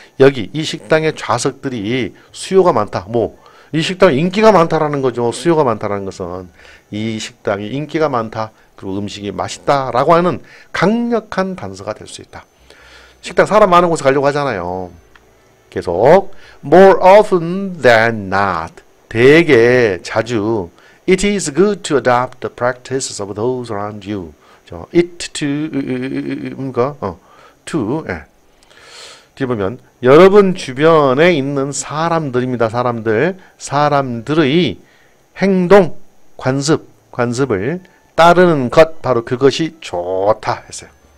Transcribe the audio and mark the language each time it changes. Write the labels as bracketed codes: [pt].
[ko] 여기 이 식당의 좌석들이 수요가 많다. 뭐? 이 식당 인기가 많다라는 거죠. 수요가 많다라는 것은 이 식당이 인기가 많다. 그리고 음식이 맛있다라고 하는 강력한 단서가 될수 있다. 식당 사람 많은 곳에 가려고 하잖아요. 계속 [en] more often than not [ko] 되게 자주 [en] it is good to adopt the practices of those around you. [ko] 저 [en] it to [ko] 뭔가 to 예. 뒤에 보면 여러분 주변에 있는 사람들입니다. 사람들의 행동 관습을 따르는 것 바로 그것이 좋다 했어요.